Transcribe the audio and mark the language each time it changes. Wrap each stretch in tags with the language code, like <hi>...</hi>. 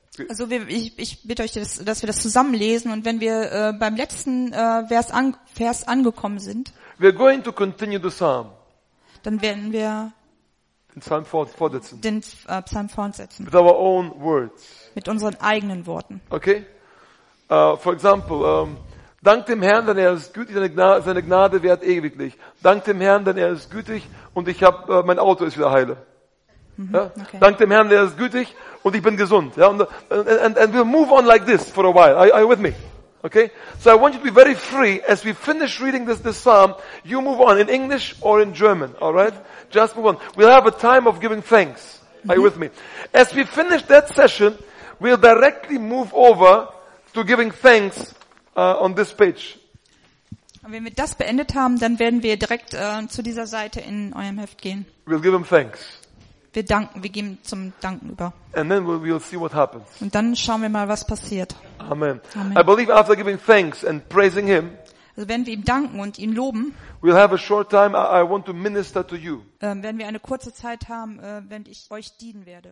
<de>Also ich bitte euch, dass wir das zusammenlesen und wenn wir beim letzten Vers angekommen sind,</de> <en>we're going to continue the psalm.</en> <de>Dann werden wir den Psalm fortsetzen. Den Psalm fortsetzen.</de> <en>With our own words.</en> <de>Mit unseren eigenen Worten.</de> <en>Okay? For example,</en> <de>dank dem Herrn, denn er ist gütig, seine Gnade währt ewiglich. Dank dem Herrn, denn er ist gütig und ich habe mein Auto ist wieder heile. Ja? Okay. Dank dem Herrn, der ist gütig und ich bin gesund. Ja?</de> <en>And we'll move on like this for a while. Are you with me? Okay? So I want you to be very free as we finish reading this psalm. You move on in English or in German. All right? Just move on. We'll have a time of giving thanks. Are you with me? As we finish that session, we'll directly move over to giving thanks on this page.</en> <de>Und wenn wir das beendet haben, dann werden wir direkt zu dieser Seite in eurem Heft gehen.</de> <en>We'll give him thanks.</en> <de>Wir danken, wir geben zum Danken über.</de> <en>And then we'll see what happens.</en> <de>Und dann schauen wir mal, was passiert. Amen.</de> <en>Amen. I believe after giving thanks and praising him,</en> <de>also wenn wir ihm danken und ihn loben,</de> <en>we'll have a short time, I want to minister to you.</en> <de>Werden wir eine kurze Zeit haben, wenn ich euch dienen werde.</de>